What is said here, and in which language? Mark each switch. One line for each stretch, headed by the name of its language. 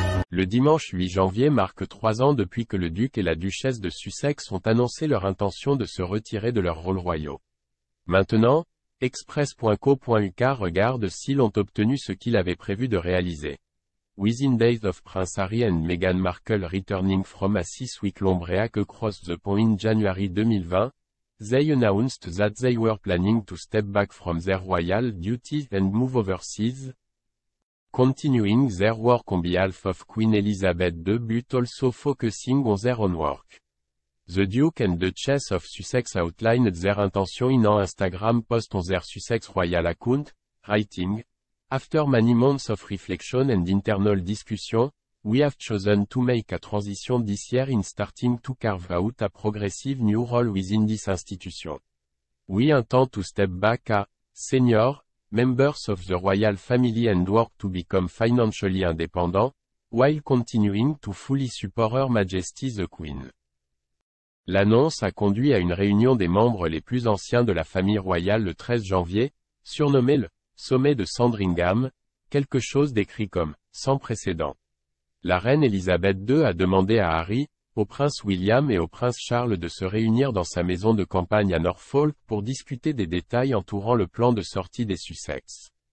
French: Le dimanche 8 janvier marque 3 ans depuis que le duc et la duchesse de Sussex ont annoncé leur intention de se retirer de leurs rôles royaux. Maintenant, Express.co.uk regarde s'ils ont obtenu ce qu'ils avaient prévu de réaliser.
English: Within days of Prince Harry and Meghan Markle returning from a 6-week long break across the pond in January 2020, they announced that they were planning to step back from their royal duties and move overseas, continuing their work on behalf of Queen Elizabeth II but also focusing on their own work. The Duke and Duchess of Sussex outlined their intention in an Instagram post on their Sussex Royal account, writing, "After many months of reflection and internal discussion, we have chosen to make a transition this year in starting to carve out a progressive new role within this institution. We intend to step back a senior, members of the royal family and work to become financially independent, while continuing to fully support Her Majesty the Queen."
French: L'annonce a conduit à une réunion des membres les plus anciens de la famille royale le 13 janvier, surnommée le « Sommet de Sandringham », quelque chose décrit comme « sans précédent ». La reine Elizabeth II a demandé à Harry, au prince William et au prince Charles de se réunir dans sa maison de campagne à Norfolk pour discuter des détails entourant le plan de sortie des Sussex.